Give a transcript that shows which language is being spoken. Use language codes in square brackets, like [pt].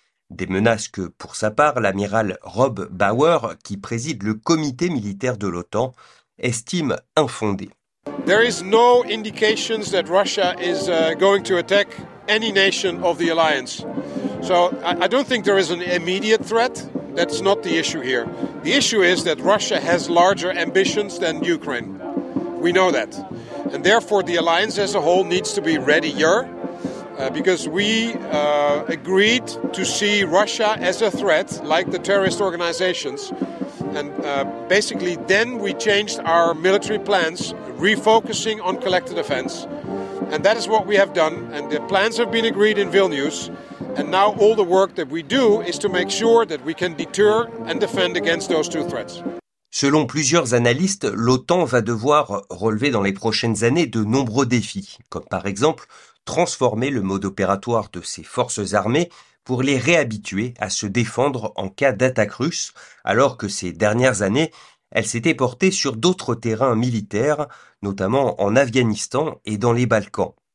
[fr] Des menaces que, pour sa part, l'amiral Rob Bauer, qui préside le comité militaire de l'OTAN, estime infondées. [en] There is no indications that Russia is going to attack any nation of the alliance. So I don't think there is an immediate threat. That's not the issue here. The issue is that Russia has larger ambitions than Ukraine. We know that. And therefore, the alliance as a whole needs to be readier, because we agreed to see Russia as a threat, like the terrorist organizations. And basically, then we changed our military plans, refocusing on collective defense. And that is what we have done. And the plans have been agreed in Vilnius. And now all the work that we do is to make sure that we can deter and defend against those two threats. [fr] Selon plusieurs analystes, l'OTAN va devoir relever dans les prochaines années de nombreux défis, comme par exemple transformer le mode opératoire de ses forces armées pour les réhabituer à se défendre en cas d'attaque russe, alors que ces dernières années, elles s'étaient portées sur d'autres terrains militaires, notamment en Afghanistan et dans les Balkans.